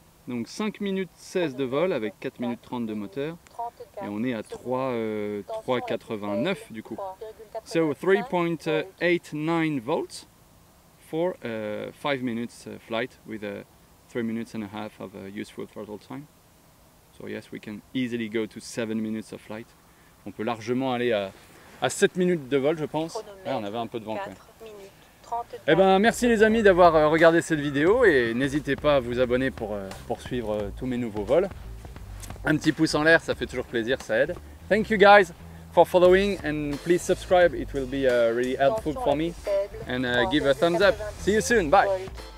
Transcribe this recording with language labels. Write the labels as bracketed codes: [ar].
[fr] Donc 5 minutes 16 de vol avec 4 minutes 30 de moteur et on est à 3,89 du coup. [en] So 3.89 volts for 5 minutes flight with a 3 minutes and a half of useful throttle time. So yes, we can easily go to 7 minutes of flight. [fr] On peut largement aller à 7 minutes de vol, je pense. Ouais, on avait un peu de vent quand même. Eh ben, merci les amis d'avoir regardé cette vidéo et n'hésitez pas à vous abonner pour suivre tous mes nouveaux vols. Un petit pouce en l'air, ça fait toujours plaisir, ça aide. [en] Thank you guys for following and please subscribe, it will be really helpful for me. And give a thumbs up. See you soon, bye.